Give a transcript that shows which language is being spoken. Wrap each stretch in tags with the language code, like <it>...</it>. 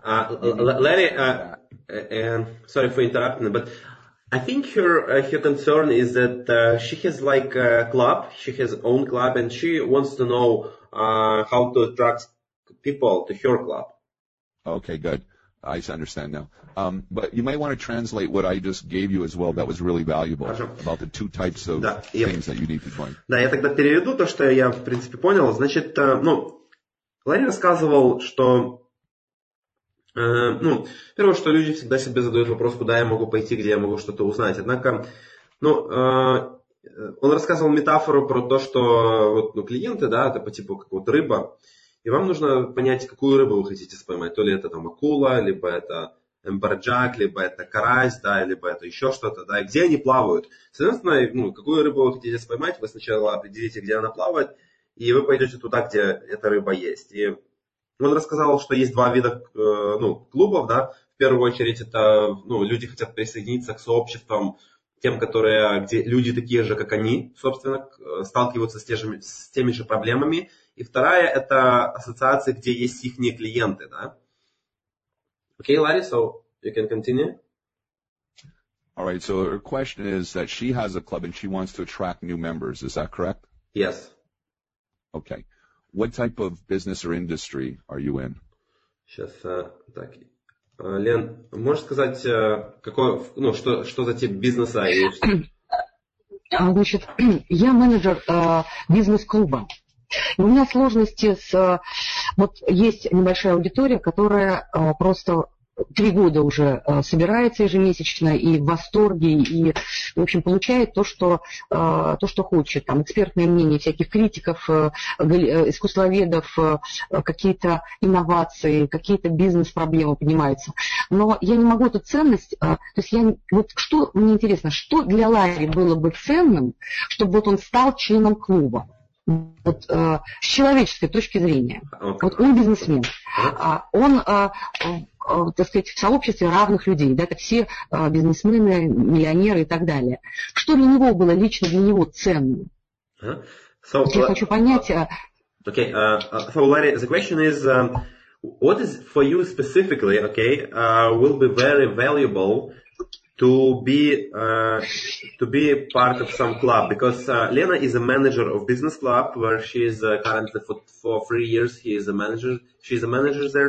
<en>Sorry for interrupting, but I think her concern is that she has like a club, she has own club, and she wants to know how to attract people to her club. Okay, good. I understand now. But you might want to translate what I just gave you as well. That was really valuable.</en> <ru>Хорошо.</ru> <en>About the two types of things that you need to find.</en> <ru>Да, я тогда переведу то, что я, в принципе, понял. Значит, ну, Ларри рассказывал, что, ну, первое, что люди всегда себе задают вопрос, куда я могу пойти, где я могу что-то узнать. Однако, ну, он рассказывал метафору про то, что вот, ну, клиенты, да, это по типу как вот рыба. И вам нужно понять, какую рыбу вы хотите споймать. То ли это там акула, либо это эмберджак, либо это карась, да, либо это еще что-то, да, и где они плавают. Соответственно, ну, какую рыбу вы хотите споймать, вы сначала определите, где она плавает, и вы пойдете туда, где эта рыба есть. И он рассказал, что есть два вида ну, клубов, да. В первую очередь, это ну, люди хотят присоединиться к сообществам, тем, которые, где люди такие же, как они, собственно, сталкиваются с теми же проблемами. И вторая – это ассоциации, где есть их клиенты, да?</ru> <en>Okay, Larry, so you can continue. All right, so her question is that she has a club and she wants to attract new members. Is that correct? Yes. Okay. What type of business or industry are you in?</en> <ru>Сейчас, так. Лен, можешь сказать, какой, ну, что за тип бизнеса? Значит, я менеджер бизнес-клуба. И у меня сложности с... Вот есть небольшая аудитория, которая просто 3 года уже собирается ежемесячно и в восторге, и, в общем, получает то, что хочет. Там экспертное мнение всяких критиков, искусствоведов, какие-то инновации, какие-то бизнес-проблемы поднимаются. Но я не могу эту ценность... То есть я... Вот что мне интересно, что для Ларри было бы ценным, чтобы вот он стал членом клуба? Вот с человеческой точки зрения. Okay. Вот он бизнесмен. Он, так сказать, в сообществе равных людей. Да, это все бизнесмены, миллионеры и так далее. Что для него было лично для него ценным?</ru> <en>So,</en> <ru>вот я хочу понять.</ru> <en>Okay. So, Larry, the question is, what is for you specifically, okay, will be very valuable to be part of some club, because Lena is a manager of business club where she is currently for 3 years. He is a manager. She is a manager there.</en>